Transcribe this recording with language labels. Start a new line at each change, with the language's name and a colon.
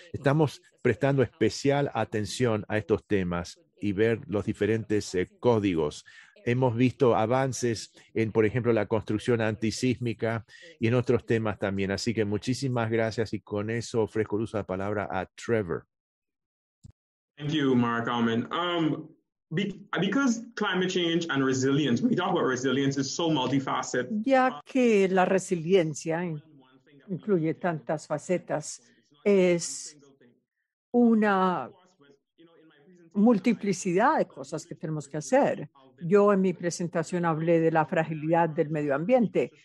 Spanish: Estamos prestando especial atención a estos temas y ver los diferentes códigos. hemos visto avances en, por ejemplo, la construcción antisísmica y en otros temas también. Así que muchísimas gracias y con eso ofrezco el uso de la palabra a Trevor.
English: Thank you, Mark Almond. Because climate change and resilience, we talk about resilience, is so multifaceted.
Spanish: Ya que la resiliencia incluye tantas facetas, es una multiplicidad de cosas que tenemos que hacer. Yo en mi presentación hablé de la fragilidad del medio ambiente.